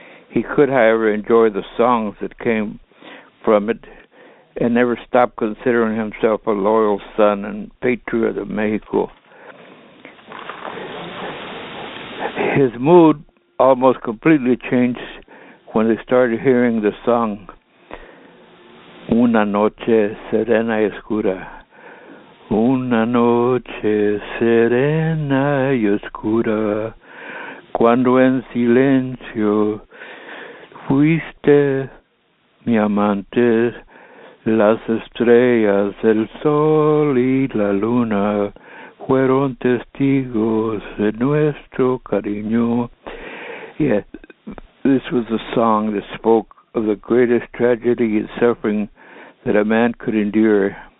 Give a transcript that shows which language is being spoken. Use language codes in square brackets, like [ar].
[en] He could, however, enjoy the songs that came from it and never stop considering himself a loyal son and patriot of Mexico. His mood almost completely changed when they started hearing the song Una Noche Serena y Oscura. [es] Una noche serena y oscura, cuando en silencio fuiste mi amante, las estrellas, el sol y la luna fueron testigos de nuestro cariño. [en] Yeah, this was a song that spoke of the greatest tragedy and suffering that a man could endure.